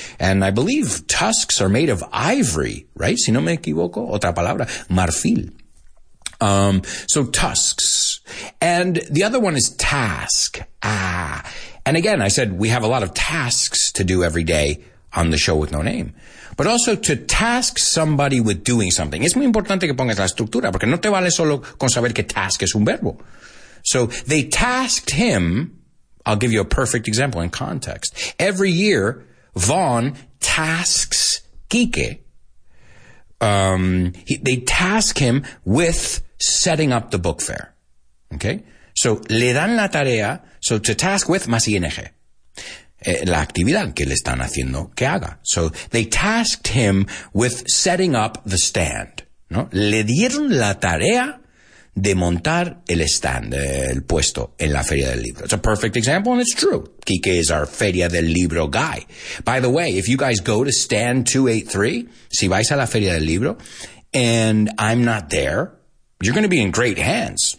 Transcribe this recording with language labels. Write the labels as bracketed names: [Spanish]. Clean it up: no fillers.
[English] And I believe tusks are made of ivory, right? [Spanish] Si no me equivoco, otra palabra, marfil. [English] So tusks. And the other one is task. And again, I said we have a lot of tasks to do every day on the show with no name. But also to task somebody with doing something. [Spanish] Es muy importante que pongas la estructura, porque no te vale solo con saber que task es un verbo. [English] So they tasked him, I'll give you a perfect example in context. Every year, Vaughn tasks Quique. They task him with setting up the book fair. Okay? So [Spanish] le dan la tarea, [English] so to task with más ING. [Spanish] La actividad que le están haciendo que haga. [English] So they tasked him with setting up the stand. [Spanish] ¿No? Le dieron la tarea de montar el stand, el puesto en la Feria del Libro. [English] It's a perfect example, and it's true. Quique is our Feria del Libro guy. By the way, if you guys go to Stand 283, [Spanish] si vais a la Feria del Libro, [English] and I'm not there, you're going to be in great hands.